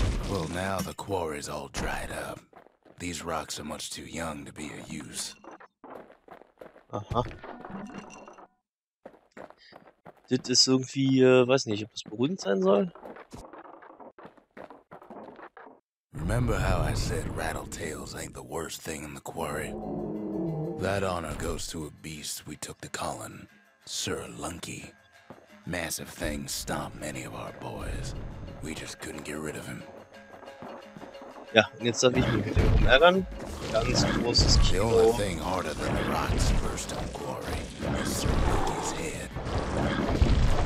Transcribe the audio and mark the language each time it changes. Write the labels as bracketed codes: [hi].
[en] Well, now the quarry's all dried up. These rocks are much too young to be of use. Aha. [de] Das ist irgendwie, weiß nicht, ob das berühmt sein soll. [en] Remember how I said rattletails ain't the worst thing in the quarry? That honor goes to a beast we took to Colin, Sir Lunky. Massive thing stomped many of our boys. We just couldn't get rid of him. [de] Ja, und jetzt darf ich mich mit dem ärgern. Ganz großes Kilo. [en] The only thing harder than the rocks burst on quarry is Sir Lunky's head.